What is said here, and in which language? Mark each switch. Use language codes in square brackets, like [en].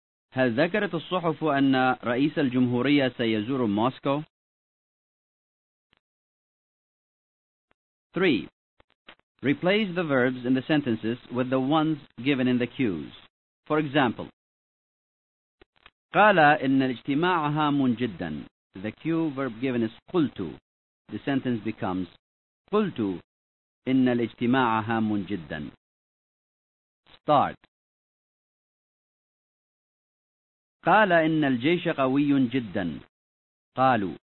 [ar] هل ذكرت الصحف أن رئيس الجمهورية سيزور موسكو؟ 3. [en] Replace the verbs in the sentences with the ones given in the cues. For example, [ar] قال إن الاجتماع هام جدا. [en] The cue verb given is قلت. The sentence becomes [ar] قلت إن الاجتماع هام جدا. [en] Start. [ar] قال إن الجيش قوي جدا. قالوا.